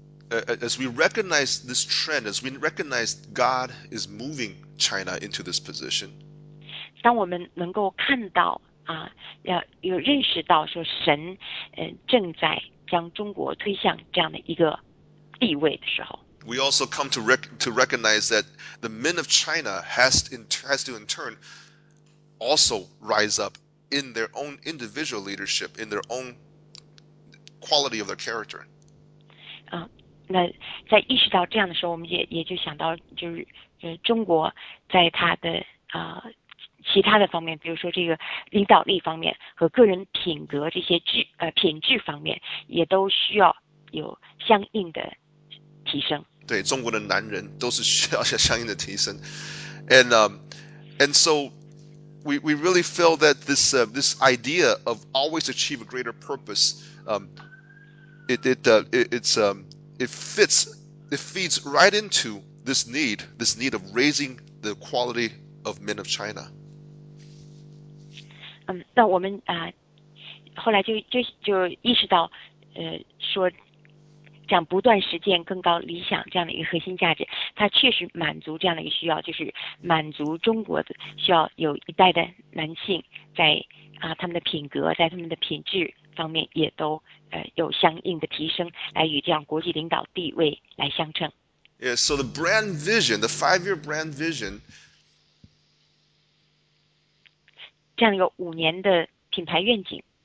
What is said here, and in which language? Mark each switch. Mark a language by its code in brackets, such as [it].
[en] As we recognize this trend, as we recognize God is moving China into this position, [zh] 当我们能够看到有认识到说神正在将中国推向这样的一个地位的时候， [en] we also come to recognize that the men of China has to in turn also rise up in their own individual leadership, in their own quality of their character. [zh] 那在意识到这样的时候，我们也就想到就是中国在他的其他的方面，比如说这个领导力方面和个人品格这些品质方面，也都需要有相应的提升。对，中国的男人都是需要相应的提升。 [en] And so we really feel that this idea of always achieve a greater purpose, it feeds right into this need of raising the quality of men of China. [zh] 那我们后来就意识到说讲不断实践更高理想这样的一个核心价值，它确实满足这样的一个需要，就是满足中国的需要，有一代的男性在他们的品格在他们的品质方面也都有相应的提升，来与这样国际领导地位来相称。 [en] Yeah, so the brand vision, the 5-year brand vision, [zh] 这样一个五年的品牌愿景